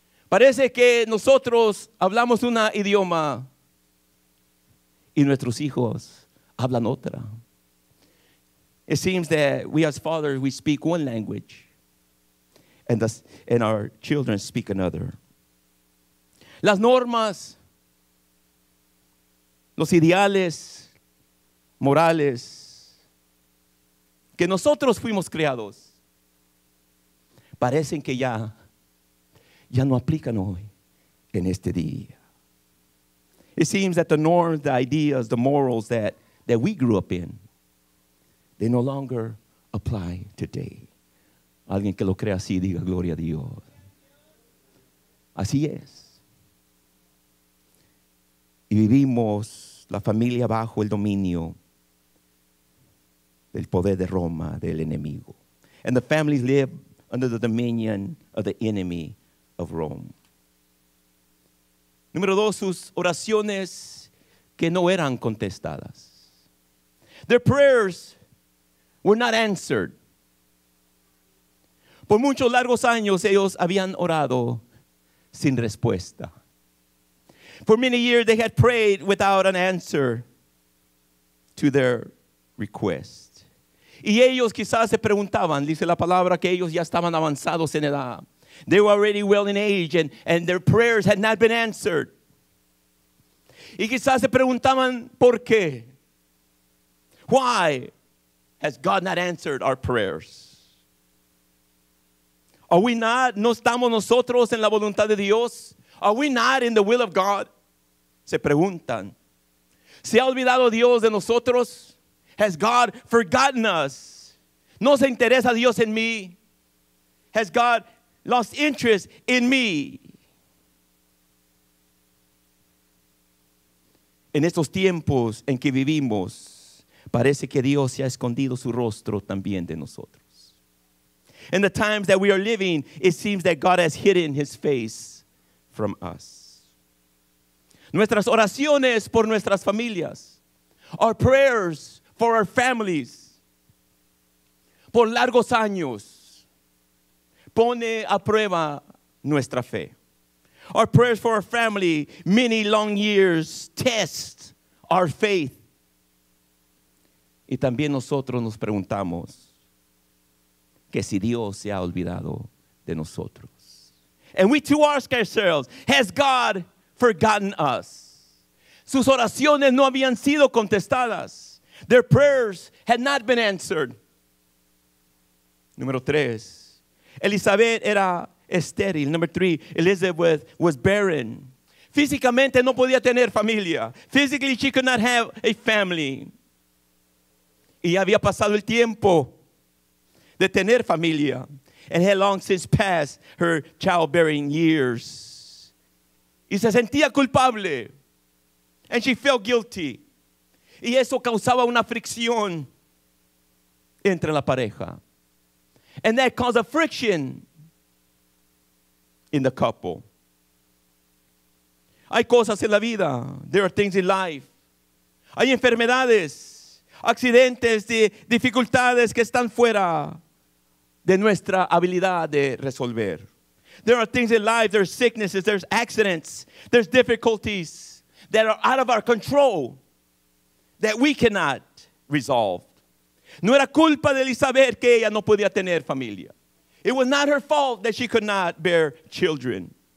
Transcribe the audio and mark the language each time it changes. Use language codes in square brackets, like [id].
[es] Parece que nosotros hablamos un idioma y nuestros hijos hablan otra. [en] It seems that we as fathers, we speak one language and our children speak another. [es] Las normas, los ideales morales que nosotros fuimos creados, parecen que ya no aplican hoy en este día. [en] It seems that the norms, the ideas, the morals that we grew up in, they no longer apply today. [es] Alguien que lo crea así, diga gloria a Dios. Así es. Y vivimos la familia bajo el dominio del poder de Roma, del enemigo. [en] And the families live under the dominion of the enemy of Rome. [es] Número dos, sus oraciones que no eran contestadas. [en] Their prayers were not answered. [es] Por muchos largos años ellos habían orado sin respuesta. [en] For many years they had prayed without an answer to their request. [es] Y ellos quizás se preguntaban, dice la palabra, que ellos ya estaban avanzados en edad. [en] They were already well in age and their prayers had not been answered. [es] Y quizás se preguntaban, ¿por qué? [en] Why has God not answered our prayers? Are we not, [es] no estamos nosotros en la voluntad de Dios? [en] Are we not in the will of God? [es] Se preguntan, ¿se ha olvidado Dios de nosotros? [en] Has God forgotten us? [es] ¿No se interesa Dios en mí? [en] Has God lost interest in me? [es] En estos tiempos en que vivimos, parece que Dios se ha escondido su rostro también de nosotros. [en] In the times that we are living, it seems that God has hidden his face from us. [es] Nuestras oraciones por nuestras familias, [en] our prayers for our families. [es] Por largos años, pone a prueba nuestra fe. [en] Our prayers for our family, many long years, test our faith. [es] Y también nosotros nos preguntamos que si Dios se ha olvidado de nosotros. [en] And we too ask ourselves, has God forgotten us? [es] Sus oraciones no habían sido contestadas. [en] Their prayers had not been answered. [es] Número tres, Elizabeth era estéril. [en] Number three, Elizabeth was barren. [es] Físicamente no podía tener familia. [en] Physically, she could not have a family. [es] Y había pasado el tiempo de tener familia. [en] And had long since passed her childbearing years. [es] Y se sentía culpable. [en] And she felt guilty. [es] Y eso causaba una fricción entre la pareja. [en] And that caused a friction in the couple. [es] Hay cosas en la vida. [en] There are things in life. [es] Hay enfermedades, accidentes, dificultades que están fuera de nuestra habilidad de resolver. [en] There are things in life. There's sicknesses. There's accidents. There's difficulties that are out of our control that we cannot resolve. [es] No era culpa de Elizabeth que ella no podía tener familia. [en] It was not her fault that she could not bear children.